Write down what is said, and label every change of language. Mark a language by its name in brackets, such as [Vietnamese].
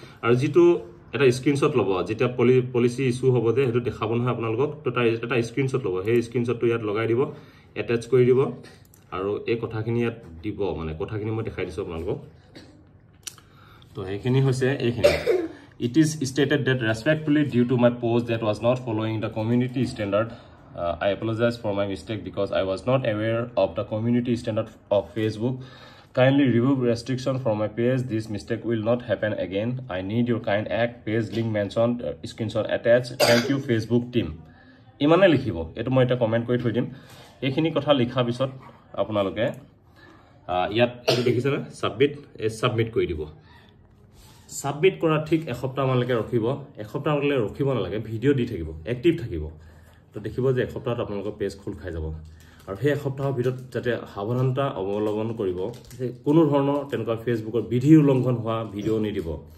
[Assamese] আৰু যিটো এটা স্ক্ৰীণশ্বট ল'ব, যেতিয়া পলিচি ইছ্যু হ'ব যে সেইটো দেখাব নহয় আপোনালোকক, তো তাৰ এটা স্ক্ৰীণশ্বট ল'ব, সেই স্ক্ৰীণশ্বটটো ইয়াত লগাই দিব, এটেচ কৰি দিব, আৰু এই কথাখিনি ইয়াত দিব, মানে কথাখিনি মই দেখাই দিছোঁ আপোনালোকক। তো সেইখিনি হৈছে, এইখিনি [English] It is stated that respectfully due to my post that was not following the community standard, I apologize for my mistake because I was not aware of the community standard of Facebook. Kindly remove restriction from my page. This mistake will not happen again. I need your kind act. Page link mentioned, screenshot attached. Thank you, Facebook team. [Assamese] ইমানে লিখিব, এইটো মই এটা comment কৰি থৈ দিম। এইখিনি কথা লিখাৰ পিছত আপোনালোকে ইয়াত এইটো দেখিছেনে ছাবমিট, এই ছাবমিট কৰি দিব। ছাবমিট কৰা ঠিক এসপ্তাহমানলৈকে ৰখিব, এসপ্তাহমানলৈকে ৰখিব নালাগে, ভিডিঅ' দি থাকিব, এক্টিভ থাকিব। তো দেখিব যে এসপ্তাহত আপোনালোকৰ পেজ খোল খাই যাব আৰু সেই এসপ্তাহৰ ভিতৰত যাতে সাৱধানতা অৱলম্বন কৰিব যে কোনো ধৰণৰ তেনেকুৱা ফেচবুকৰ বিধি উলংঘন হোৱা ভিডিঅ' নিদিব।